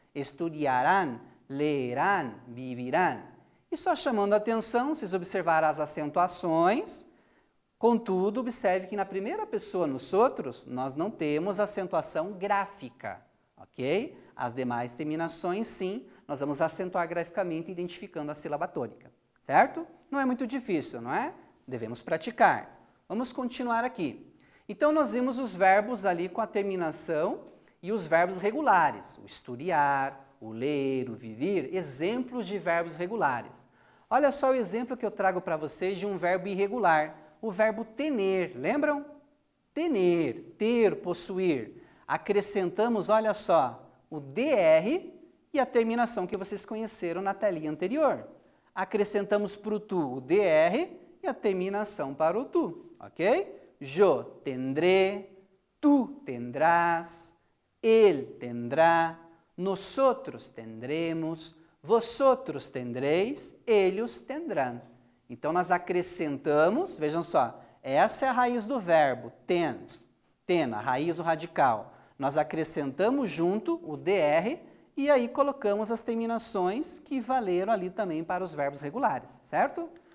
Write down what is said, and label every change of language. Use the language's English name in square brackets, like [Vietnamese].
[Spanish] Estudiarán, leerán, vivirán. [Portuguese] E só chamando a atenção, vocês observarão as acentuações. Contudo, observe que na primeira pessoa, nos outros, nós não temos acentuação gráfica, ok? As demais terminações, sim, nós vamos acentuar graficamente identificando a sílaba tônica, certo? Não é muito difícil, não é? Devemos praticar. Vamos continuar aqui. Então, nós vimos os verbos ali com a terminação e os verbos regulares. O estudiar, o ler, o viver, exemplos de verbos regulares. Olha só o exemplo que eu trago para vocês de um verbo irregular. O verbo tener, lembram? Tener, ter, possuir. Acrescentamos, olha só, o dr e a terminação que vocês conheceram na telinha anterior. Acrescentamos para o tu o dr e a terminação para o tu, ok? [Spanish] Yo tendré, tu tendrás, él tendrá, nosotros tendremos, vosotros tendréis, ellos tendrán. [Portuguese] Então, nós acrescentamos, vejam só, essa é a raiz do verbo, ten, a raiz, o radical. Nós acrescentamos junto o dr e aí colocamos as terminações que valeram ali também para os verbos regulares, certo?